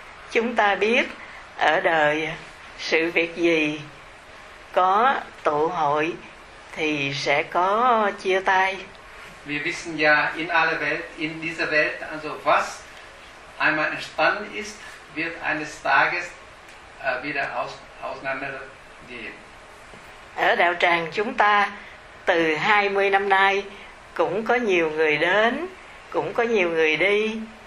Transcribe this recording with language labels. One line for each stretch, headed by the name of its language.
Vietnamese: Chúng ta biết ở đời sự việc gì có tụ hội thì sẽ có chia tay.
German: Wir wissen ja in aller Welt, in dieser Welt, also was einmal entstanden ist, wird eines Tages wieder auseinandergehen.
Vietnamese: Ở đạo tràng chúng ta từ 20 năm nay cũng có nhiều người đến, cũng có nhiều người đi.